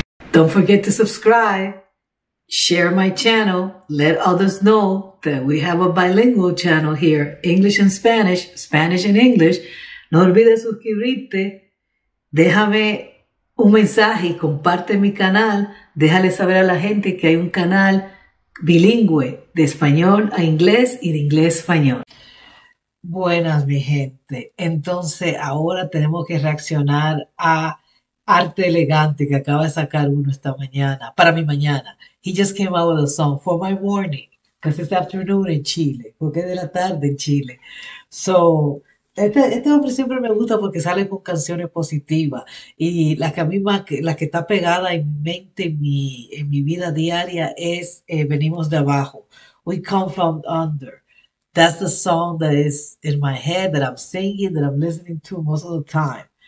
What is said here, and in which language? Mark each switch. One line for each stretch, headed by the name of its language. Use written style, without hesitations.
English: Don't forget to subscribe, share my channel, let others know that we have a bilingual channel here, English and Spanish, Spanish and English.
Spanish: No olvides suscribirte, déjame un mensaje y comparte mi canal, déjale saber a la gente que hay un canal bilingüe de español a inglés y de inglés a español. Buenas, mi gente. Entonces, ahora tenemos que reaccionar a Arte Elegante, que acaba de sacar uno esta mañana, para mi mañana.
English: He just came out with a song for my morning, because it's afternoon in Chile,
Spanish: porque es de la tarde en Chile. So, este hombre siempre me gusta porque sale con canciones positivas. Y la que a mí más, la que está pegada en mente en mi vida diaria es Venimos de Abajo,
English: We Come From Under. That's the song that is in my head that I'm singing, that I'm listening to most of the time.